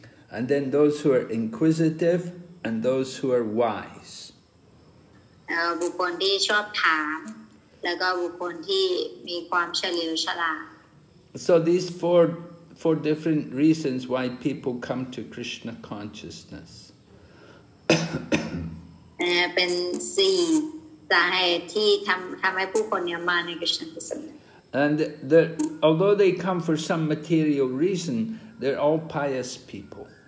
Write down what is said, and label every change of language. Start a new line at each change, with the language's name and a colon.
English: And then those who are inquisitive and those who are wise.
Thai: บุคคลที่ชอบถามแล้วก็บุคคลที่มีความเฉลียวฉลาด
English: So these four different reasons why people come to Krishna consciousness
Thai: เป็น4สาเหตุที่ทำให้ผู้คนเนี่ยมาใน Krishna consciousness
English: And although they come for some material reason they're all pious people